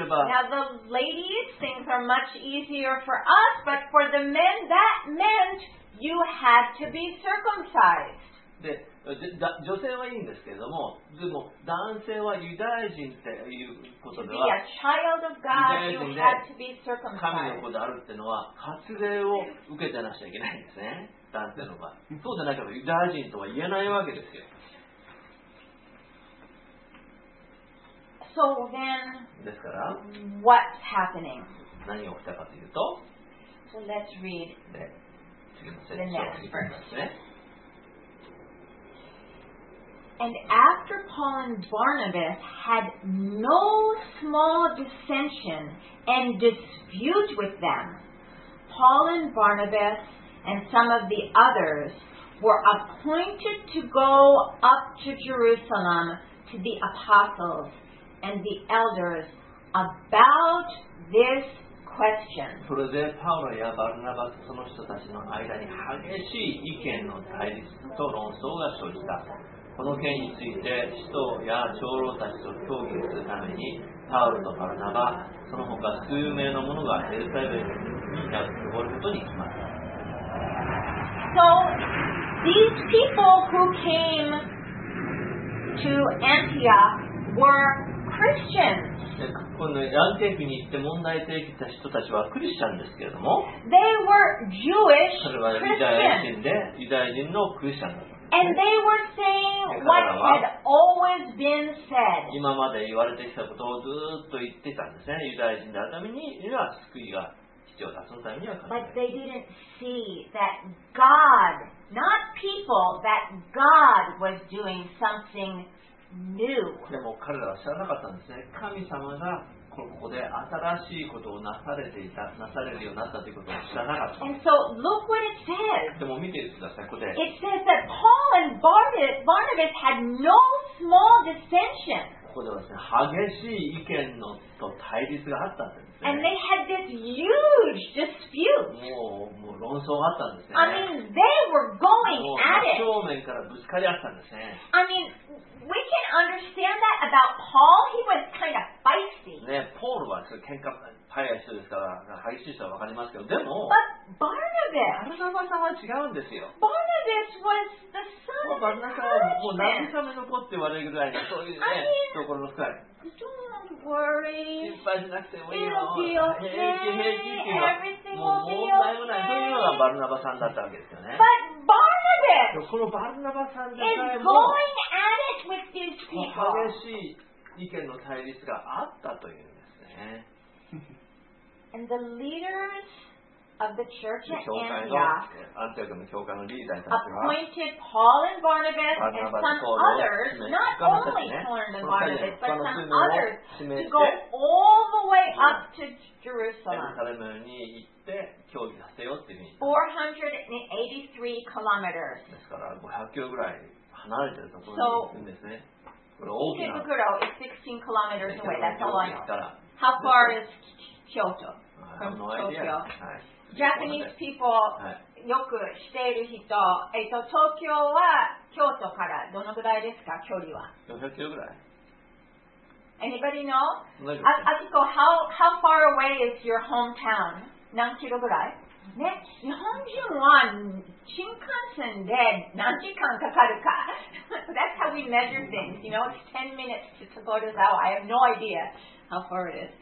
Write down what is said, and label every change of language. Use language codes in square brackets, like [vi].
[en] Now the ladies, things are much easier for us, but for the men, that meant you had to be circumcised. [ja] で女性はいいんですけれども、でも男性はユダヤ人っていうことでは、ユダヤ人で神の子であるっていうのは、割礼を受けてなくちゃいけないんですね、男性の場合。そうじゃないからユダヤ人とは言えないわけですよ。 [en] So、then, [ja] ですから、 [en] what's happening? [ja] 何が起きたかというと、 [en] so、let's read [ja] 次の説明を見てみますね。 [en] And after Paul and Barnabas had no small dissension and dispute with them, Paul and Barnabas and some of the others were appointed to go up to Jerusalem to the apostles and the elders about this question. [ja] それでパウロやバルナバスその人たちの間に激しい意見の対立と論争が生じた。この件について使徒や長老たちと協議するためにパウロとバルナバその他数名の者がエルサレムに登ることに決まった。 [en] So these people who came to Antioch were Christians. [ja] このアンティオクに行って問題提起した人たちはクリスチャンですけれども、 [en] They were Jewish Christians. [ja] それはユダヤ人で、ユダヤ人のクリスチャンだった。 [en] And they were saying what had always been said. [ja] 今まで言われてきたことをずっと言ってたんですね。ユダヤ人であるためには救いが必要だ。そのためには。 [en] But they didn't see that God, not people, that God was doing something new. [ja] でも彼らは知らなかったんですね。神様がここで新しいことをなされていた、なされるようになったということを知らなかった。 [en] And so, look what it says. [ja] でも見てください、ここで。 [en] It says that Paul and Barnabas had no small dissension. [ja] ここではですね、激しい意見のと対立があったんですね。 [en] And they had this huge dispute. [ja] もう論争があったんですね。 [en] I mean, they were going at it. [ja] 正面からぶつかり合ったんですね。 [en] I mean,We can understand that about Paul. He was kind of feisty. [ja] ね、ポールはそう喧嘩早い人ですから、激しい人はわかりますけど、でも。 [en] But Barnabas. [ja] バルナバさんは違うんですよ。 [en] Barnabas was the son of encouragement. [ja] もう慰めの子って言われるぐらいのそういうね、ところの深い。 [en] Don't worry. [ja] 心配しなくてもいいよ。 [en] It'll be okay. [ja] 平気 [en] Everything will be okay. [ja] もう問題もない。そういうのがバルナバさんだったわけですよね。 [en] But Barnabas. [ja] このバルナバさんじゃないもん。 [en] Is going at it. [ja] 激しい意見の対立があったというんですね。 [en] And the leaders of the church at Antioch, [ja] アンティオクの教会のリーダーたち [en] は、appointed Paul and Barnabas and some others, not only Paul and Barnabas, but some others, to go all the way up to Jerusalem. [ja] エルサレムに行って協議させようっていうふうに。 [en] 483 kilometers. [ja] ですから500キロぐらい。離れてるところに行くんですね。これ大きな。 [en] Kikukuro is 16 kilometers away. That's all I know. How far is Kyoto from Tokyo? Japanese people [ja] よく知っている人、東京は京都からどのぐらいですか？距離は。 400キロぐらい。 [en] Anybody know? Akiko, how far away is your hometown? [ja] 何キロぐらい？ね、日本人は新幹線で何時間かかるか。 [en] That's how we measure things. You know, it's 10 minutes to Tsukurozawa. I have no idea how far it is.